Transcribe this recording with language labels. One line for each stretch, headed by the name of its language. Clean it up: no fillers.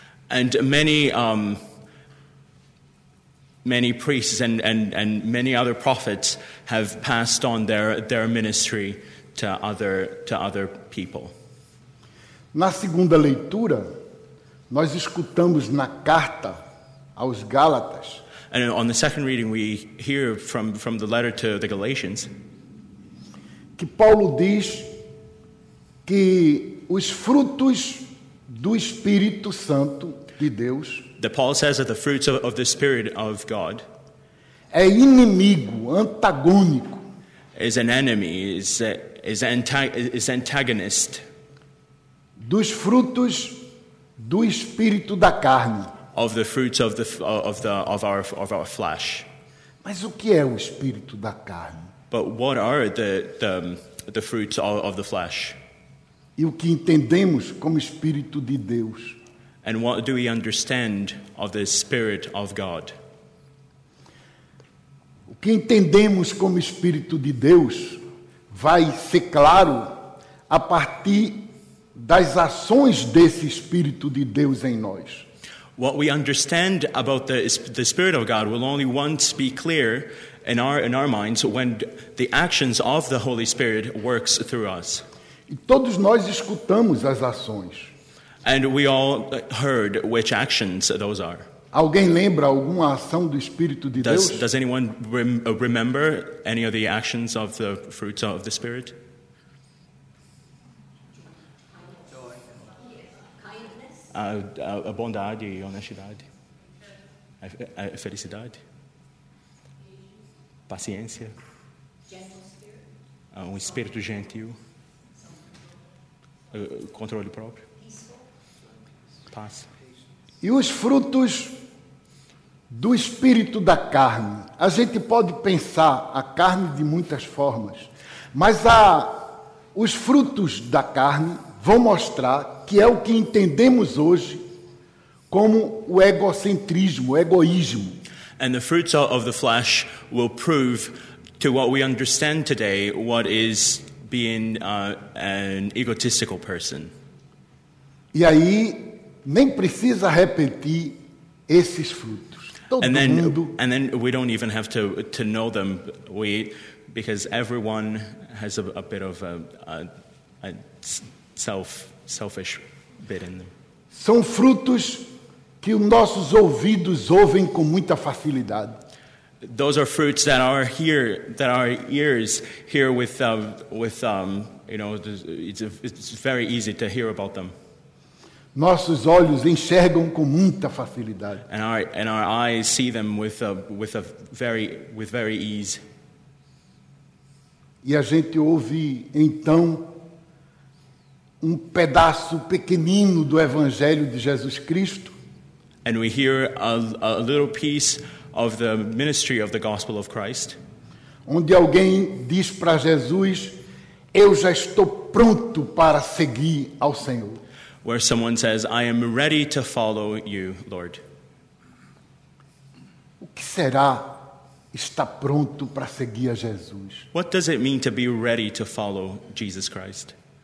English: And many many priests and many other prophets have passed on their ministry to other people.
Portuguese: Na segunda leitura, nós escutamos na carta aos Gálatas.
English: And on the second reading we hear from the letter to the Galatians
Portuguese: que Paulo diz que os frutos do Espírito Santo de Deus.
English: That Paul says that the fruits of the Spirit of God
Portuguese: é inimigo, antagônico.
English: Is an enemy, is antagonist.
Portuguese: Dos frutos do Espírito da carne.
English: Of the fruits of our flesh.
Portuguese: Mas o que é o Espírito da carne?
English: But what are the fruits of the flesh?
Portuguese: E o que entendemos como Espírito de Deus?
English: And what do we understand of the Spirit of God?
Portuguese: O que entendemos como Espírito de Deus vai ser claro a partir das ações desse Espírito de Deus em nós.
English: What we understand about the Spirit of God will only once be clear in our minds when the actions of the Holy Spirit works through us.
Portuguese: E todos nós escutamos as ações.
English: And we all heard which actions those are.
Portuguese: Alguém lembra alguma ação do Espírito de Deus?
English: Does anyone remember any of the actions of the fruits of the Spirit?
Portuguese: A bondade, honestidade, a felicidade, paciência, espírito gentil, controle próprio. Paz. E os frutos do espírito da carne. A gente pode pensar a carne de muitas formas, mas os frutos da carne vão mostrar que é o que entendemos hoje como o egocentrismo, o egoísmo.
English: And the fruits of the flesh will prove to what we understand today what is being an egotistical person.
Portuguese: E aí nem precisa repetir esses frutos.
English: And then we don't even have to know them, because everyone has a bit of a selfish bit in them.
Portuguese: São frutos que os nossos ouvidos ouvem com muita facilidade.
English: Those are fruits that are here, that our ears hear with you know, it's very easy to hear about them.
Portuguese: Nossos olhos enxergam com muita facilidade.
English: And our eyes see them with very ease.
Portuguese: E a gente ouve então um pedaço pequenino do Evangelho de Jesus Cristo.
English: And we hear a little piece of the ministry of the gospel of Christ.
Portuguese: Onde alguém diz para Jesus, eu já estou pronto para seguir ao Senhor.
English: Where someone says, I am ready to follow you, Lord.
Portuguese: O que será estar pronto para seguir a Jesus?
English: What does it mean to be ready to follow Jesus Christ?